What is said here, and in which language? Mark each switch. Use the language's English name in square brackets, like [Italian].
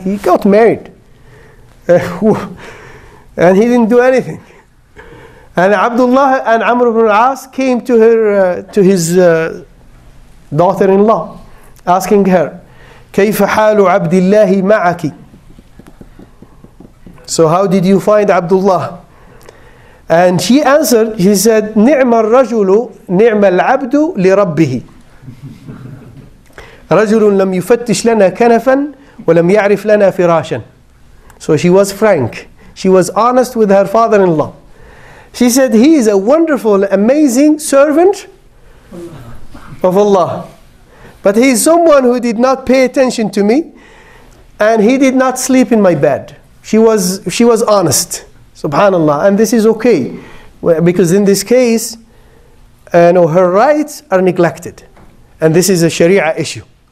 [English] He got married and he didn't do anything. And Abdullah and Amr ibn al-As came to her, to his daughter-in-law, asking her, [Arabic] كَيْفَ حَالُ عَبْدِ اللَّهِ مَعَكِ. [English] So how did you find Abdullah? And she answered, she said, [Arabic] نِعْمَ الرَّجُلُ نِعْمَ الْعَبْدُ لِرَبِّهِ رَجُلٌ لَمْ يُفَتِّشْ لَنَا كَنَفًا وَلَمْ يَعْرِفْ لَنَا فِرَاشًا. [English] So she was frank. She was honest with her father-in-law. She said, he is a wonderful, amazing servant of Allah. But he is someone who did not pay attention to me, and he did not sleep in my bed. She was honest, subhanAllah, and this is okay, because in this case, her rights are neglected, and this is a Sharia issue.